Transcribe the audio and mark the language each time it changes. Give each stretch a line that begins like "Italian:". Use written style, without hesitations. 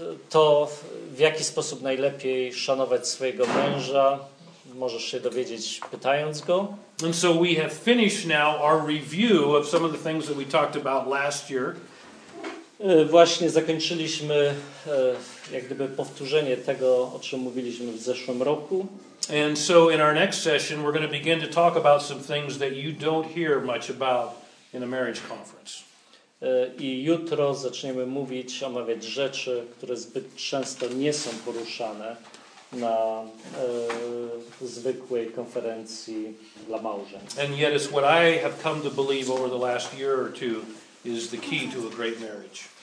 Polish: To w jaki sposób najlepiej szanować swojego męża, możesz się dowiedzieć, pytając go.
English: And so we have finished now our review of some of the things that we talked about last year.
Polish: Właśnie zakończyliśmy jak gdyby powtórzenie tego, o czym mówiliśmy w zeszłym roku.
English: And so in our next session we're going to begin to talk about some things that you don't hear much about in a marriage conference.
Polish: I jutro zaczniemy mówić, omawiać rzeczy, które zbyt często nie są poruszane na zwykłej konferencji dla małżeństw.
English: And yet it's what I have come to believe over the last year or two is the key to a great marriage.